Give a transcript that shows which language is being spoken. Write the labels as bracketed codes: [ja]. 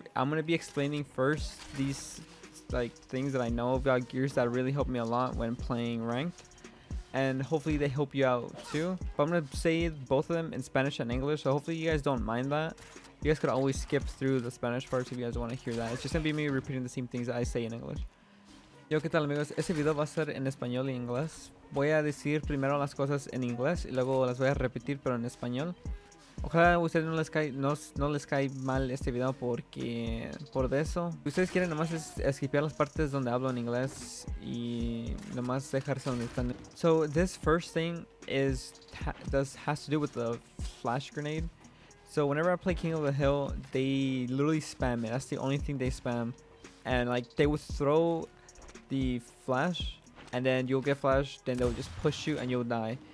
[en] I'm gonna be explaining first these like things that I know about gears that really helped me a lot when playing ranked. And hopefully they help you out too. But I'm gonna say both of them in Spanish and English, so hopefully you guys don't mind that. You guys could always skip through the Spanish parts if you guys wanna hear that. It's just gonna be me repeating the same things that I say in English. [es] Yo, ¿qué tal, amigos? Este video va a ser en español y inglés. Voy a decir primero las cosas en inglés y luego las voy a repetir, pero en español. Ojalá a ustedes no les cae mal este video porque por eso. Si ustedes quieren nomás skipear las partes donde hablo en inglés y nomás dejarse donde están. [en] So this first thing has to do with the flash grenade. So whenever I play King of the Hill, they literally spam it. That's the only thing they spam. And like they would throw the flash and then you'll get flash, then they'll just push you and you'll die.